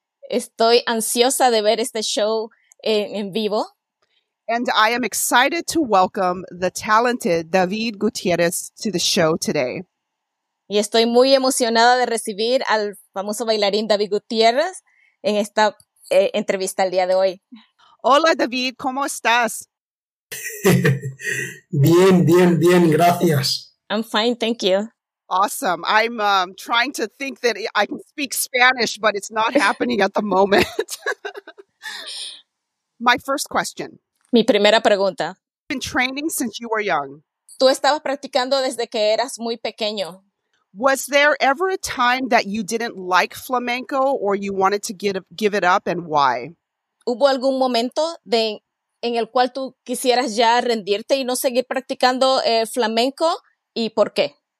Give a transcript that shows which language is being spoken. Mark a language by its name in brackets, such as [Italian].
[Spanish] Estoy ansiosa de ver este show en vivo. [English] And I am excited to welcome the talented David Gutierrez to the show today. [Spanish] Y estoy muy emocionada de recibir al famoso bailarín David Gutierrez en esta entrevista el día de hoy. Hola David, ¿cómo estás? Bien, gracias. [English] I'm fine, thank you. Awesome. I'm trying to think that I can speak Spanish, but it's not happening at the moment. My first question. [Spanish] Mi primera pregunta. [English] Been training since you were young. [Spanish] tú estabas practicando desde que eras muy pequeño. [English] Was there ever a time that you didn't like flamenco or you wanted to give it up and why? [Spanish] ¿Hubo algún momento de en el cual tú quisieras ya rendirte y no seguir practicando flamenco y por qué?